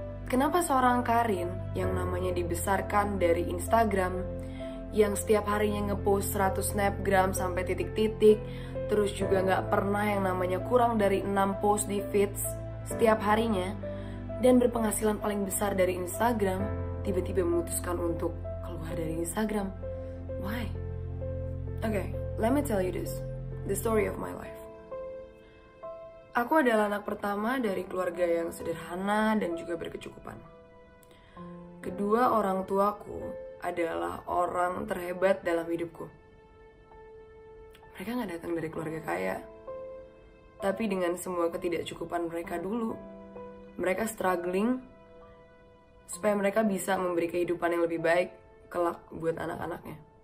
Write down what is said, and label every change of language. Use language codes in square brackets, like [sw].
[id] Kenapa seorang Karin yang namanya dibesarkan dari Instagram, yang setiap harinya ngepost 100 snapgram sampai titik-titik, terus juga nggak pernah yang namanya kurang dari 6 post di feeds setiap harinya, dan berpenghasilan paling besar dari Instagram, tiba-tiba memutuskan untuk keluar dari Instagram? [en] Why? Okay, let me tell you this, the story of my life. [id] Aku adalah anak pertama dari keluarga yang sederhana dan juga berkecukupan. Kedua orang tuaku adalah orang terhebat dalam hidupku. Mereka gak datang dari keluarga kaya. Tapi dengan semua ketidakcukupan mereka dulu, mereka struggling supaya mereka bisa memberi kehidupan yang lebih baik kelak buat anak-anaknya.